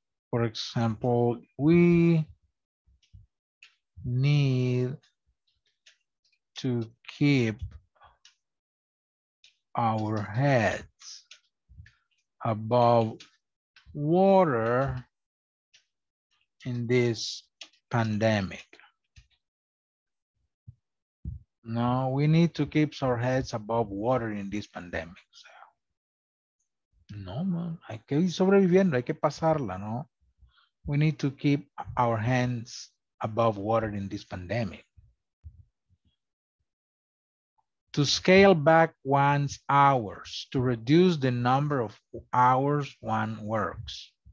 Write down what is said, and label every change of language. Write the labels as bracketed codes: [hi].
[en] For example, we need to keep our heads above water in this pandemic. No, we need to keep our heads above water in this pandemic. [es] So, no, man, hay que ir sobreviviendo, hay que pasarla, ¿no? [en] We need to keep our hands above water in this pandemic. To scale back one's hours, to reduce the number of hours one works.